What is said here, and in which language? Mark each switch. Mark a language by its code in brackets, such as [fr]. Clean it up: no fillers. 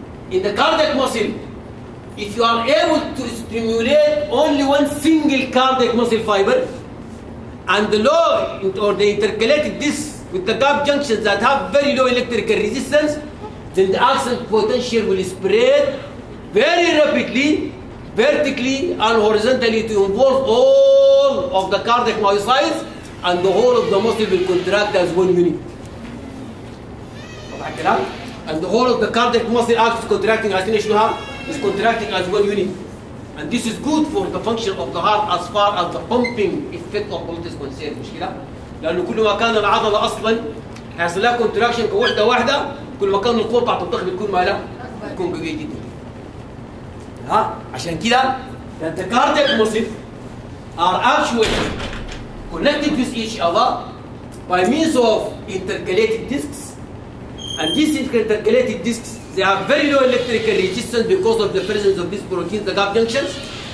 [en] In the cardiac muscle, if you are able to stimulate only one single cardiac muscle fiber, and the low or the intercalated disc with the gap junctions that have very low electrical resistance, then the axon potential will spread very rapidly, vertically and horizontally, to involve all of the cardiac myocytes, and the whole of the muscle will contract as one unit. And the whole of the cardiac muscle acts contracting, as you have, is contracting as one unit. And this is good for the function of the heart as far as the pumping effect of blood is concerned. [ar] لأنه كل ما كان العضلة أصلاً حصل لها contraction كوحدة واحدة, كل ما كان القوة بتاعت الضغط بتكون مالها؟ بتكون قوية جدا. ها؟ عشان كده [en] that the cardiac muscles are actually connected with each other by means of intercalated discs. And these intercalated discs, they have very low electrical resistance because of the presence of these proteins, the gap junctions.